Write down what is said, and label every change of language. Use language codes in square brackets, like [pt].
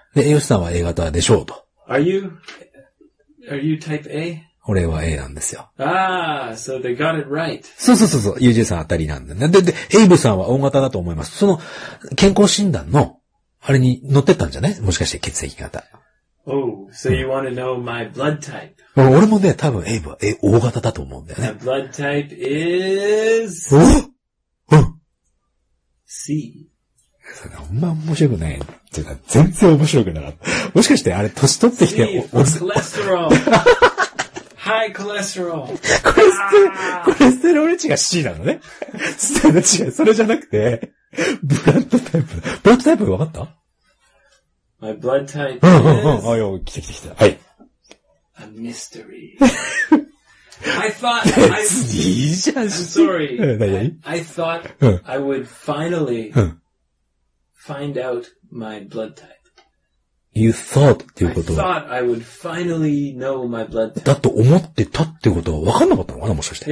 [ja] で、ヨシさんは A 型でしょうと。 [en] Are you type A? [ja] 俺は A なんですよ。 [en] Ah, so they got it right. [ja] そうそうそうそう。ユージさんあたりなんだね。で、エイブさんは O 型だと思います。その、健康診断の、あれに乗ってったんじゃない? もしかして血液型。 [en] Oh, so you want to know my blood type. [ja] 俺もね、多分、エイブは O 型だと思うんだよね。 [en] My blood type is... [ja] お?うん。 C。そんな、ほんま面白くない。全然面白くなかった。もしかして、あれ、年取ってきて、 [en] C for cholesterol! High cholesterol! [ja] コレステロール値が C なのね。違う、それじゃなくて、ブラッドタイプ。ブラッドタイプ分かった? [en] My blood type is... [ja] あ、よ、来た。はい。 [en] A mystery. I thought... I'm sorry. I thought I would finally find out my blood type. You thought [ja] っていうことは [en] I thought I would finally know my blood type. [ja] だと思ってたっていうことは分かんなかったのかな、もしかして。